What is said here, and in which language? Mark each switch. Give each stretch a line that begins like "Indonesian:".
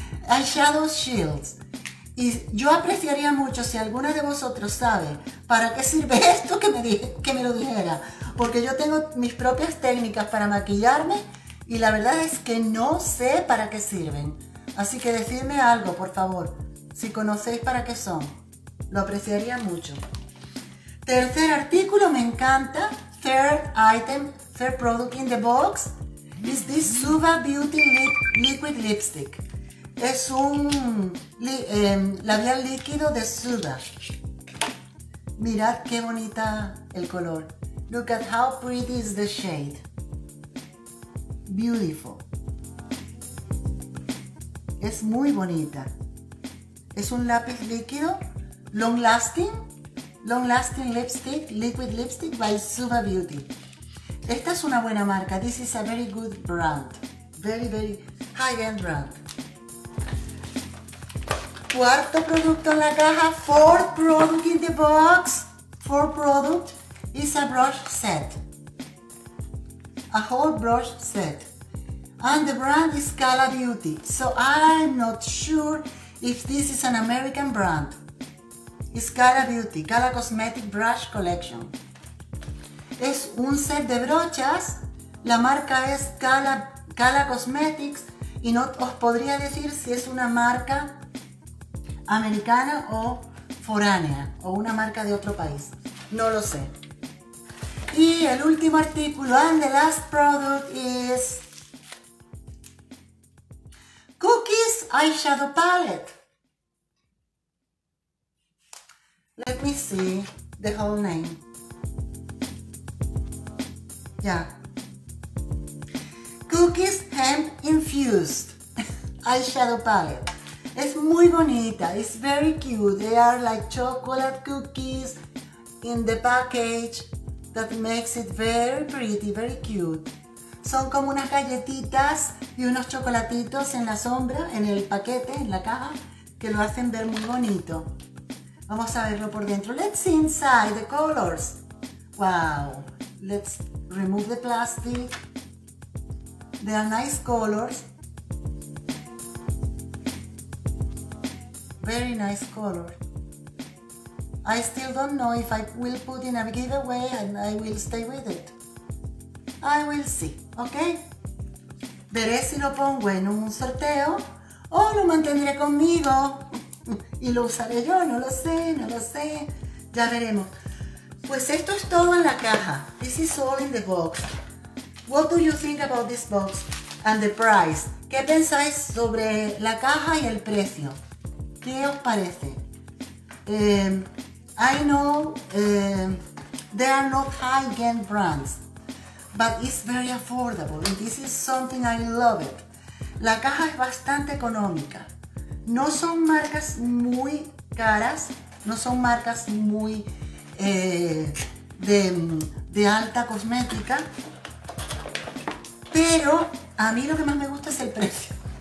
English: Eyeshadow shields.
Spanish: Y yo apreciaría mucho si alguna de vosotros sabe para qué sirve esto que me lo dijera. Porque yo tengo mis propias técnicas para maquillarme y la verdad es que no sé para qué sirven. Así que decidme algo, por favor. Si conocéis para qué son, lo apreciaría mucho. Tercer artículo, me encanta.
English: Third item, third product in the box, is this Suva Beauty Liquid Lipstick.
Spanish: Es un labial líquido de Suva. Mirad qué bonita el color.
English: Look at how pretty is the shade. Beautiful.
Spanish: Es muy bonita. Es un lápiz líquido.
English: Long lasting. Long lasting lipstick. Liquid lipstick by Suva Beauty.
Spanish: Esta es una buena marca.
English: This is a very good brand. Very, very high end brand.
Spanish: Cuarto producto en la caja,
English: fourth product in the box, fourth product, is a brush set. a whole brush set. And the brand is Cala Beauty, so I'm not sure if this is an American brand. It's Cala Beauty, Cala Cosmetic Brush Collection.
Spanish: Es un set de brochas, la marca es Cala Cosmetics, y no os podría decir si es una marca americana o foránea, o una marca de otro país, no lo sé. Y el último artículo,
English: and the last product is Cookies Eyeshadow Palette. Let me see the whole name. Yeah. Cookies Hemp Infused Eyeshadow Palette.
Spanish: Es muy bonita.
English: It's very cute. They are like chocolate cookies in the package that makes it very pretty, very cute.
Spanish: Son como unas galletitas y unos chocolatitos en la sombra, en el paquete, en la caja, que lo hacen ver muy bonito. Vamos a verlo por dentro.
English: Let's see inside the colors. Wow. Let's remove the plastic. They are nice colors. Very nice color. I still don't know if I will put in a giveaway and I will stay with it. I will see, ok?
Spanish: Veré si lo pongo en un sorteo o lo mantendré conmigo y lo usaré yo, no lo sé, no lo sé. Ya veremos. Pues esto es todo en la caja.
English: This is all in the box. What do you think about this box and the price?
Spanish: ¿Qué pensáis sobre la caja y el precio? ¿Qué os parece?
English: I know they are not high-end brands, but it's very affordable, and this is something I love it.
Spanish: La caja es bastante económica. No son marcas muy caras, no son marcas muy de alta cosmética, pero a mí lo que más me gusta es el precio.